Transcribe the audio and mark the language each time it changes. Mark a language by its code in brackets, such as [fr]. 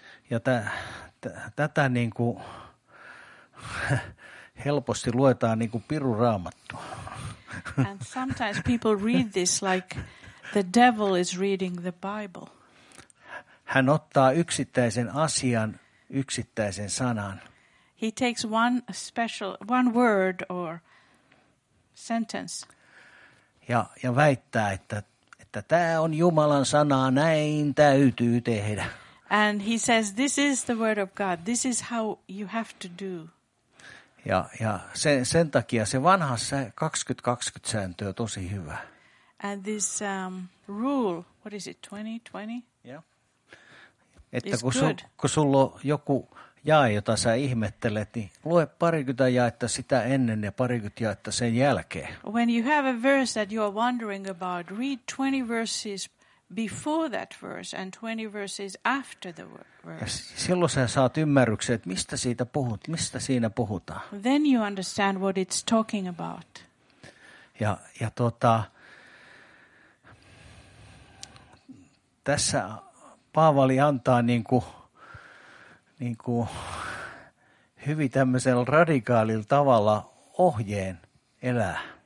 [fi] Ja tätä niin kuin helposti luetaan niin kuin piru Raamattua. [en] And sometimes people read this like the devil is reading the Bible. [fi] Hän ottaa yksittäisen asian, yksittäisen sanan. [en] He takes one word or sentence. [fi] Ja väittää, että tämä on Jumalan sanaa, näin täytyy tehdä. [en] And he says, this is the word of God, this is how you have to do. [fi] Ja sen takia se vanha 20-20 sääntö on tosi hyvä. [en] And this rule, what is it, 20-20? Yeah. [fi] Että kun sulla on joku jae, jota sä ihmettelet, niin lue parikymmentä jaetta sitä ennen ja parikymmentä jaetta sen jälkeen. [en] When you have a verse that you are wondering about, read 20 verses before that verse and 20 verses after the verse. [fi] Ja silloin sä saat ymmärryksen, että mistä siinä puhutaan. [en] Then you understand what it's talking about. [fi] Ja tässä Paavali antaa niin kuin hyvin tämmöisellä radikaalilla tavalla ohjeen elää.